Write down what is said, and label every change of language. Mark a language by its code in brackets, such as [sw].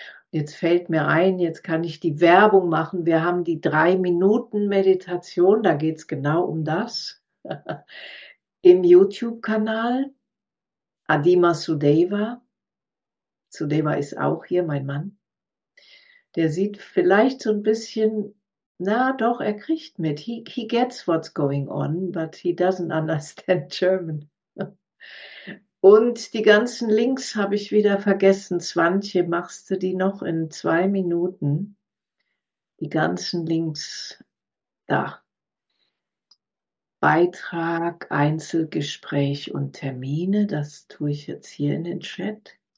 [de] Jetzt fällt mir ein, jetzt kann ich die Werbung machen. Wir haben die 3-Minuten-Meditation, da geht es genau um das, im YouTube-Kanal Adima Sudeva. Sudeva ist auch hier, mein Mann. Der sieht vielleicht so ein bisschen, na doch, er kriegt mit. [en] He gets what's going on, but he doesn't understand German. [de] Und die ganzen Links habe ich wieder vergessen. Swantje, machst du die noch in 2 Minuten? Die ganzen Links da. Beitrag, Einzelgespräch und Termine, das tue ich jetzt hier in den Chat.